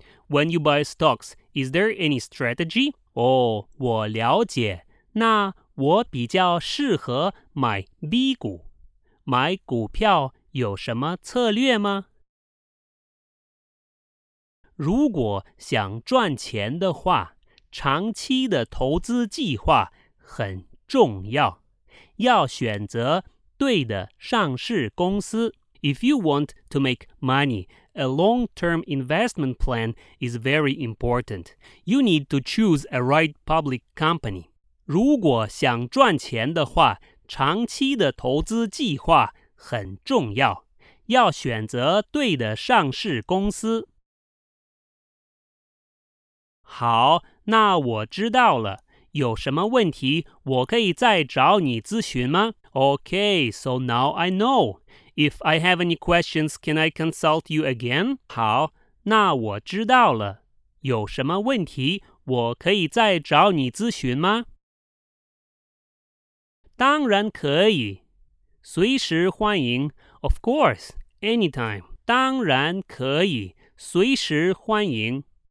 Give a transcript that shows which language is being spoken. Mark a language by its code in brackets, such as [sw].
[en] When you buy stocks, is there any strategy? [zh] 哦，我了解。那我比较适合买 B 股。买股票有什么策略吗？如果想赚钱的话，长期的投资计划很重要，要选择对的上市公司。 [en] If you want to make money, a long-term investment plan is very important. You need to choose a right public company. [zh] 如果想赚钱的话，长期的投资计划很重要，要选择对的上市公司。好，那我知道了。有什么问题，我可以再找你咨询吗？ [en] Okay, so now I know. If I have any questions, can I consult you again? [zh] 好，那我知道了。有什么问题，我可以再找你咨询吗？当然可以，随时欢迎。 [en] Of course, anytime. [zh] 当然可以，随时欢迎。